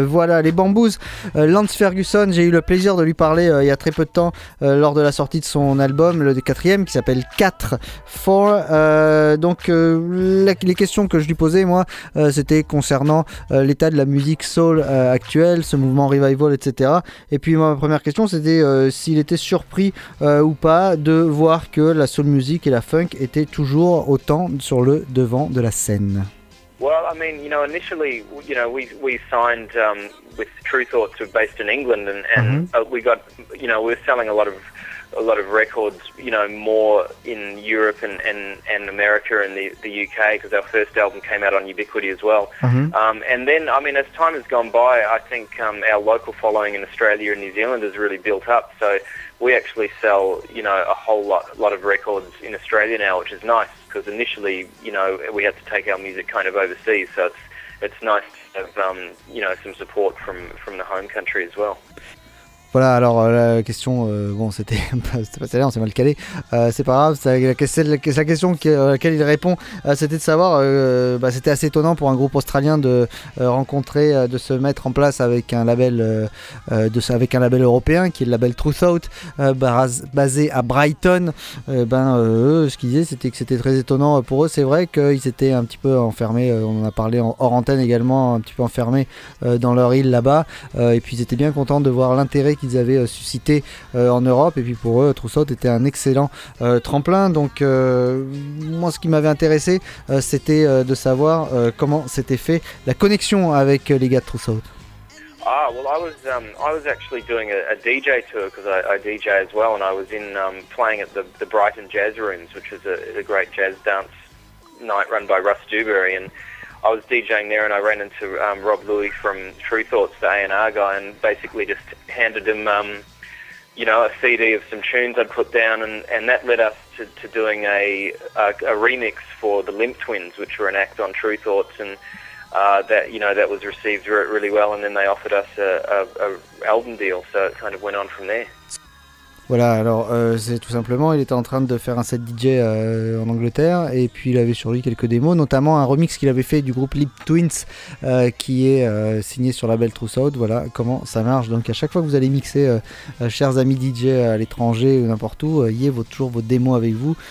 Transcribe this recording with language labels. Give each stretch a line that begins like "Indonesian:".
French: Voilà, les Bamboos, Lance Ferguson, j'ai eu le plaisir de lui parler il y a très peu de temps, lors de la sortie de son album, le quatrième, qui s'appelle 4-4, Donc les questions que je lui posais, moi, c'était concernant l'état de la musique soul actuelle, ce mouvement revival, etc. Et puis ma première question, c'était s'il était surpris ou pas de voir que la soul music et la funk étaient toujours autant sur le devant de la scène.
English: Well, I mean, you know, initially, you know, we signed with True Thoughts, who are based in England, and we got, you know, we're selling a lot of records, you know, more in Europe and America and the UK, because our first album came out on Ubiquity as well. And then, I mean, as time has gone by, I think our local following in Australia and New Zealand has really built up. So we actually sell, you know, a whole lot of records in Australia now, which is nice, because initially, you know, we had to take our music kind of overseas. So it's nice to have, you know, some support from the home country as well.
French: Voilà, alors la question, c'était on s'est mal calé, c'est pas grave, c'est la question à laquelle il répond, c'était de savoir, c'était assez étonnant pour un groupe australien de rencontrer, de se mettre en place avec un label, avec un label européen, qui est le label True Thought, basé à Brighton. Eux, ce qu'ils disaient, c'était que c'était très étonnant pour eux. C'est vrai qu'ils étaient un petit peu enfermés, on en a parlé hors antenne également, un petit peu enfermés dans leur île là-bas, et puis ils étaient bien contents de voir l'intérêt qu'ils avaient suscité en Europe, et puis pour eux True Thoughts était un excellent tremplin. Donc moi, ce qui m'avait intéressé, c'était de savoir comment s'était fait la connexion avec les gars de True Thoughts.
English: Ah, well, I was actually doing a DJ tour, because I DJ as well, and I was in playing at the Brighton Jazz Rooms, which is a great jazz dance night run by Russ Dewberry, and I was DJing there, and I ran into Rob Louie from True Thoughts, the A&R guy, and basically just handed him, you know, a CD of some tunes I'd put down, and that led us to doing a remix for the Limp Twins, which were an act on True Thoughts, and that was received really well, and then they offered us a album deal, so it kind of went on from there.
French: Voilà, alors c'est tout simplement, il était en train de faire un set DJ en Angleterre, et puis il avait sur lui quelques démos, notamment un remix qu'il avait fait du groupe Limp Twins, qui est signé sur la label True Thoughts. Voilà comment ça marche. Donc à chaque fois que vous allez mixer, chers amis DJ à l'étranger ou n'importe où, ayez toujours vos démos avec vous.